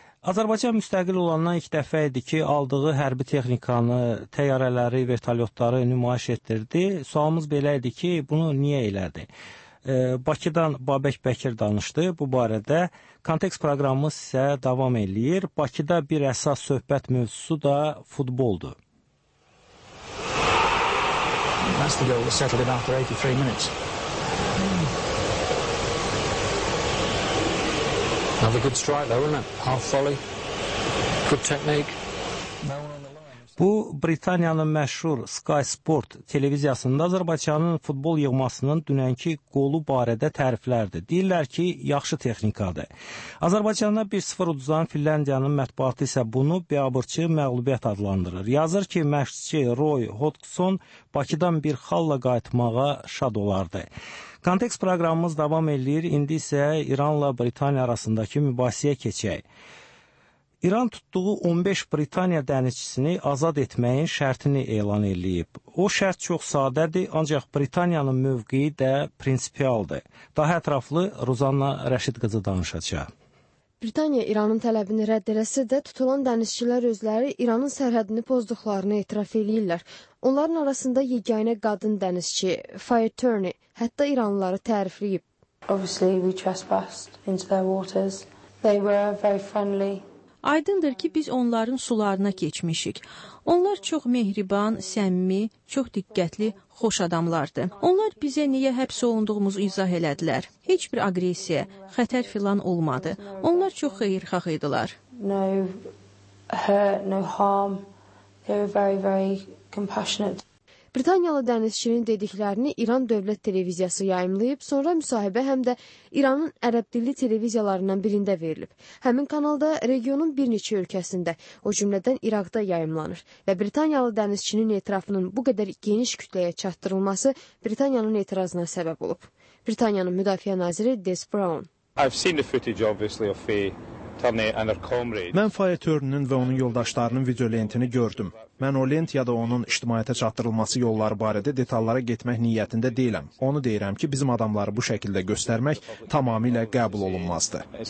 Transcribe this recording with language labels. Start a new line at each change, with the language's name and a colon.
Azerbaijani: Azərbaycan müstəqil olandan ilk dəfə idi ki, aldığı hərbi texnikanı, təyyarələri, vertolyotları nümayiş etdirdi. Sualımız belə idi ki, bunu niyə elədi? Bakıdan Babək Bəkir danışdı bu barədə. Kontekst proqramı sizə davam eləyir. Bakıda bir əsas söhbət mövzusu da futboldur.
English: That's the goal that settled in after 83 minutes. Another good strike though, isn't it? Half volley. Good technique.
Azerbaijani: Bu, Britaniyanın məşhur Sky Sport televiziyasında Azərbaycanın futbol yığmasının dünənki qolu barədə təriflərdir. Deyirlər ki, yaxşı texnikadır. Azərbaycanda 1-0 uduzan Finlandiyanın mətbuatı isə bunu biabırçı məğlubiyyət adlandırır. Yazır ki, məşqçi Roy Hodgson Bakıdan bir xalla qayıtmağa şad olardı. Kontekst proqramımız davam edir, indi isə İranla Britaniya arasındakı mübahisəyə keçək. İran tutduğu 15 Britaniya dənizçisini azad etməyin şərtini elan edib. O şərt çox sadədir, ancaq Britaniyanın mövqeyi də prinsipialdır. Daha ətraflı Ruzanna Rəşid qızı danışacaq. Britaniya İranın tələbini rədd eləsə də tutulan dənizçilər özləri İranın sərhədini pozduqlarını etiraf edirlər. Onların arasında yeganə qadın dənizçi, Fire Turney, hətta İranlıları tərifləyib.
English: Obviously we trespassed into their waters. They were very friendly.
Azerbaijani: Aydındır ki, biz onların sularına keçmişik. Onlar çox mehriban, səmimi, çox diqqətli, xoş adamlardı. Onlar bizə niyə həbs olunduğumuzu izah elədilər. Heç bir aqressiya, xətər filan olmadı. Onlar çox xeyirxah idilər.
English: No hurt, no harm. They were very, very compassionate.
Azerbaijani: Britaniyalı dənizçinin dediklərini İran Dövlət Televiziyası yayımlayıb, sonra müsahibə həm də İranın ərəb dilli televiziyalarından birində verilib. Həmin kanalda regionun bir neçə ölkəsində, o cümlədən İraqda yayımlanır və Britaniyalı dənizçinin etirafının bu qədər geniş kütləyə çatdırılması Britaniyanın etirazına səbəb olub. Britaniyanın müdafiə naziri Des Brown.
English: I've seen the footage obviously of a
Azerbaijani: Mən Faye Törnünün və onun yoldaşlarının video lentini gördüm. Mən o lent ya da onun ictimaiyyətə çatdırılması yolları barədə detallara getmək niyyətində deyiləm. Onu deyirəm ki, bizim adamları bu şəkildə göstərmək tamamilə qəbul olunmazdır.